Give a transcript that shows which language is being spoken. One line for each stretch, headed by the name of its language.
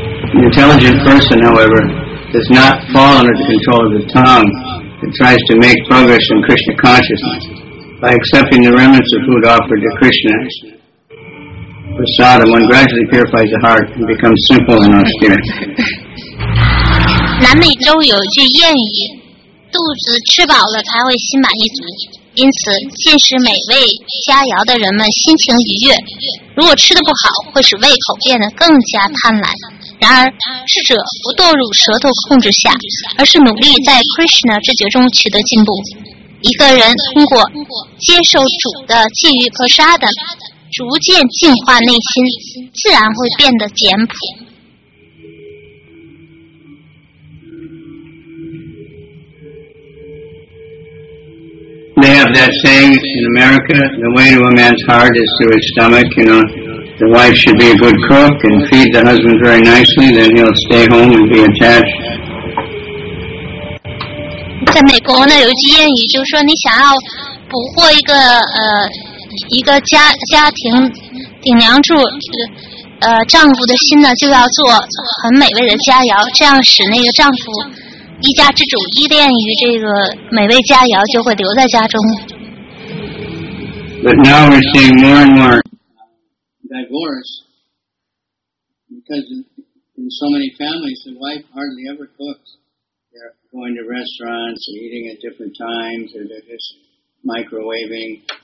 English: An intelligent person, however, does not fall under the control of the tongue that tries to make progress in Krishna consciousness by accepting the remnants of food offered to Krishna. Prasadam, one gradually purifies the heart and becomes simple and austere.
Chinese: 南美洲有句谚语，肚子吃饱了才会心满意足，因此进食美味佳肴的人们心情愉悦，如果吃得不好会使胃口变得更加贪婪。然而智者不堕入舌头控制下，而是努力在 Krishna 知觉中取得进步。一个人通过接受主的寄予 Prasadam 逐渐净化内心，自然会变得简朴。
English: They have that saying in America, the way to a man's heart is through his stomach, you know. The wife should be a good cook and feed the husband very nicely, then he'll stay home and be attached.
Chinese: 在美国呢，有一句谚语，就是说你想要捕获一个家庭顶梁柱，丈夫的心呢，就要做很美味的佳肴，这样使那个丈夫一家之主依恋于这个美味佳肴，就会留在家中。
English: But now we're seeing more and more divorce because in so many families, the wife hardly ever cooks. The they're going to restaurants and eating at different times, or they're just microwaving.